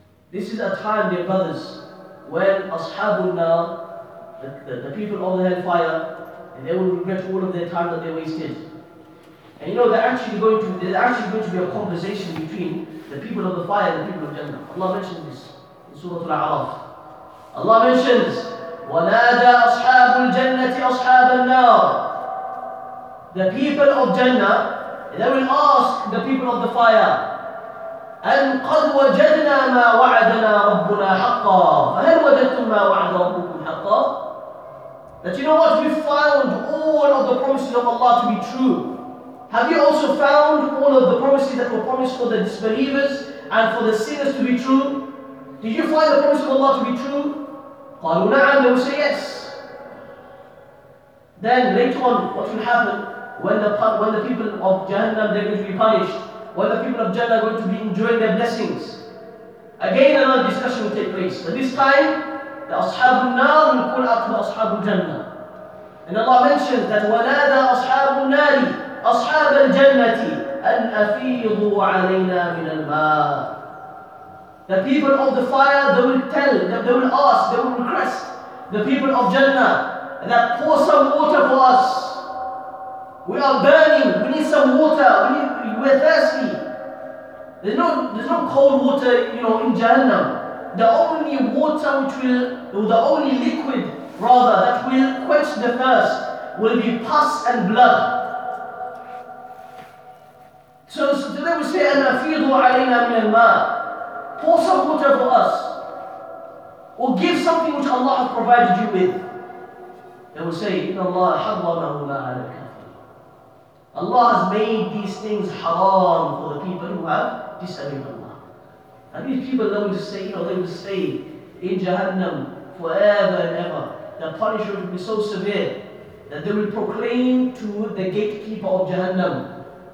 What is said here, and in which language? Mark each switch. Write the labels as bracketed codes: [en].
[en] This is a time, dear brothers, when Ashabul Nar, the people of the hellfire, and they will regret all of their time that they wasted. And you know, there's actually going to be a conversation between the people of the fire and the people of Jannah. Allah mentioned this. Surah Al-A'raf. Allah mentions, [ar] وَنَادَى أَصْحَابُ الْجَنَّةِ أَصْحَابَ النَّارِ. [en] The people of Jannah, they will ask the people of the fire, [ar] أَنْ قَدْ وَجَدْنَا مَا وَعَدَنَا رَبُّنَا حَقًّا فَهَلْ وَجَدْتُمْ مَا وَعَدَ رَبُّكُمْ حَقًّا. [en] That you know what, we found all of the promises of Allah to be true. Have you also found all of the promises that were promised for the disbelievers and for the sinners to be true? Did you find the promise of Allah to be true? [ar] قَالُوا نَعَمْ. [en] They will say yes. Then later on, what will happen? When the people of Jahannam, they're going to be punished. When the people of Jannah are going to be enjoying their blessings. Again, another discussion will take place. But this time, the Ashab al-Nar will call out to the Ashab al-Jannah. And Allah mentions that [ar] وَنَادَى أَصْحَابُ النَّارِ أَصْحَابَ الْجَنَّةِ أَنْ أَفِيضُوا عَلَيْنَا مِنَ الْمَاءِ. [en] The people of the fire, they will tell, they will ask, they will request the people of Jannah that pour some water for us. We are burning, we need some water, we're thirsty. There's no cold water, you know, in Jahannam. The only water which will, or the only liquid rather, that will quench the thirst will be pus and blood. So then we say, [ar] أَنَّ فِيضُوا عَلَيْنَا مِنَ الْمَاءِ. [en] Pour some water for us. Or give something which Allah has provided you with. They will say, [ar] إِنَّ اللَّهَ حَرَّمَهُ مَا عَلَى الْكَافِرِينَ. [en] Allah has made these things haram for the people who have disobeyed Allah. And these people, they will just say, you know, they will stay in Jahannam forever and ever. Their punishment will be so severe that they will proclaim to the gatekeeper of Jahannam.